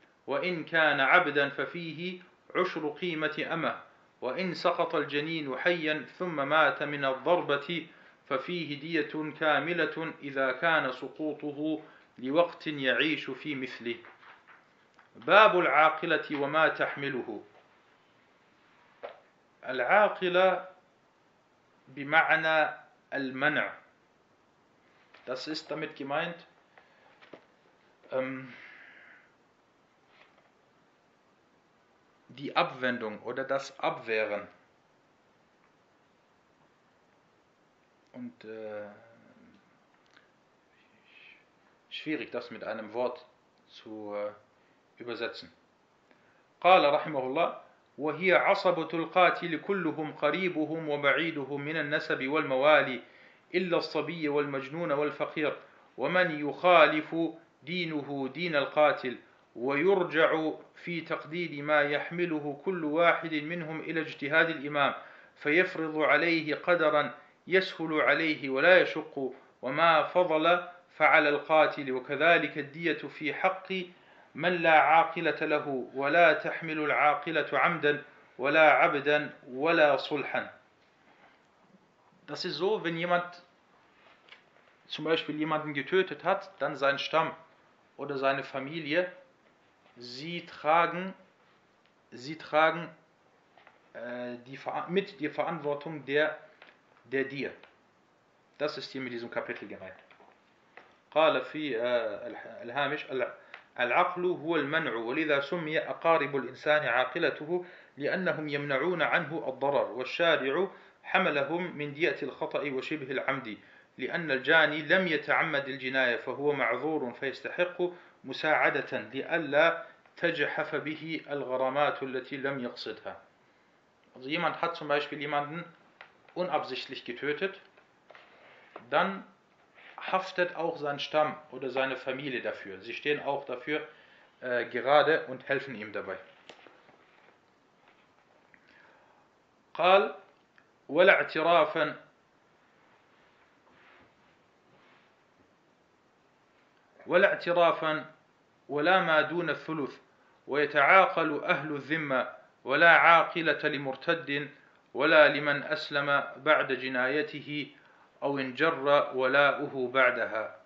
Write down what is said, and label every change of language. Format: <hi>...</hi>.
<ar>وإن كان عبدا ففيه عشر قيمة أمة وإن سقط الجنين حيا ثم مات من الضربة ففيه دية كاملة إذا كان سقوطه لوقت يعيش في مثله باب العاقلة وما تحمله العاقلة بمعنى المنع.</ar> <de>Das ist damit gemeint, die Abwendung oder das Abwehren. Und schwierig, das mit einem Wort zu übersetzen.</de> <ar>قال رحمه الله: وهي عصبة القاتل كلهم قريبهم وبعيدهم من النسب والموالي إلا الصبي والمجنون والفقير ومن يخالف دينه دين القاتل، ويرجع في تقدير ما يحمله كل واحد منهم إلى اجتهاد الإمام، فيفرض عليه قدرا يسهل عليه ولا يشق، وما فضل فعلى القاتل. وكذلك الدية في حق من لا عاقلة له، ولا تحمل العاقلة عمدا ولا عبدا ولا صلحا.</ar> <de>Das ist so, wenn jemand zum Beispiel jemanden getötet hat, dann sein Stamm oder seine Familie, sie tragen die Verantwortung der Dir. Das ist hier mit diesem Kapitel gemeint.</de> <ar>قال في الهامش: العقل هو المنع، ولذا سمي أقارب الإنسان عاقلته لأنهم يمنعون عنه الضرر، والشارع حملهم من دية الخطأ وشبه العمد، لأن الجاني لم يتعمد الجناية فهو معذور فيستحق مساعدة لئلا تجحف به الغرامات التي لم يقصدها.</ar> <de>Also jemand hat zum Beispiel jemanden unabsichtlich getötet, dann haftet auch sein Stamm oder seine Familie dafür. Sie stehen auch dafür gerade und helfen ihm dabei.</de> <ar>قال ولا اعترافا ولا اعترافا ولا ما دون الثلث، ويتعاقل أهل الذمة، ولا عاقلة لمرتد ولا لمن أسلم بعد جنايته أو انجر ولاؤه بعدها.</ar>